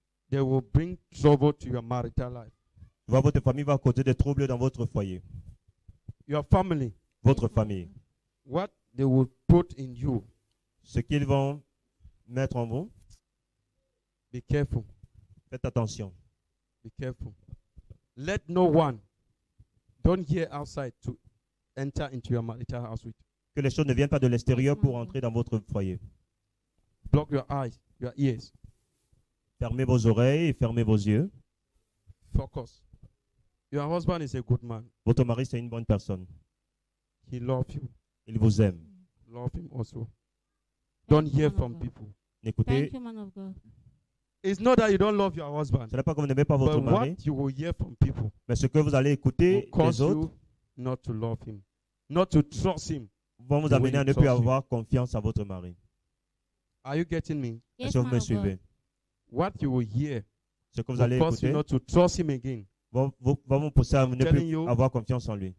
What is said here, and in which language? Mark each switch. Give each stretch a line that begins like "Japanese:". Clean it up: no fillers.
English: They will bring trouble to your marital life.
French: Votre famille va causer des troubles dans votre foyer.
English: Your family.
French: Votre famille.
English: What they will put in you.
French: Ce qu'ils vont mettre en vous.
English: Be careful.
French: Faites attention.
English: Be careful. Let no one, don't hear outside to enter into your marital house with.
French: Que les choses ne viennent pas de l'extérieur pour entrer dans votre foyer.
English: Block your eyes, your ears.
French: Fermez vos oreilles et fermez vos yeux.
English: Focus. Your husband is a good man.
French: Votre mari c'est une bonne personne.
English: He loves you.
French: Il vous aime.
English: Love him also. Don't hear from people.
French: N'écoutez.
English: Thank you, man of God. It's not that you don't love your husband.
French: Ce n'est pas que vous n'aimez pas votre mari.
English: But what you will hear from people.
French: Mais ce que vous allez écouter des autres.
English: Will cause you not to love him, not to trust him.
French: Vont vous amener à ne plus avoir confiance à votre mari.
English: Are you getting me? Yes, si
French: vous me suivez.
English: What you will hear.
French: Ce que vous allez écouter.
English: Cause you not to trust him again.
French: Va vous pousser à ne plus avoir confiance en lui.